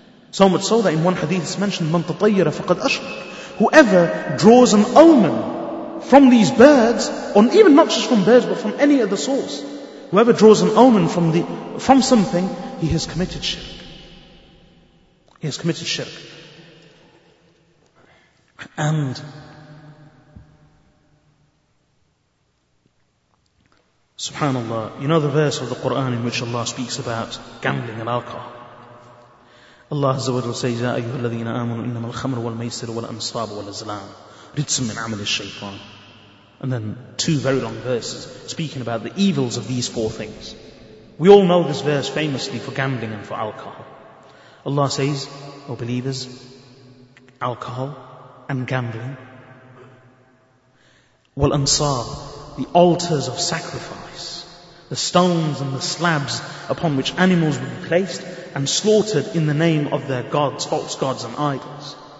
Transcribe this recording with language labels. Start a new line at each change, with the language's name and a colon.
English: So much so that in one hadith it's mentioned,
Arabic: مَنْ تَطَيَّرَ فَقَدْ أَشْرَكَ.
English: Whoever draws an omen from these birds, or even not just from birds, but from any other source, whoever draws an omen from something, he has committed shirk. He has committed shirk. And subhanAllah, you know the verse of the Quran in which Allah speaks about gambling and alcohol. Allah Azza wa Jalla says,
Arabic: يا أيها الذين آمنوا إنما الخمر والميسر والأنصاب والأزلام رجس من عمل الشيطان.
English: And then two very long verses speaking about the evils of these four things. We all know this verse famously for gambling and for alcohol. Allah says, O believers, alcohol and gambling, والأنصاب, the altars of sacrifice, the stones and the slabs upon which animals would be placed and slaughtered in the name of their gods, false gods and idols.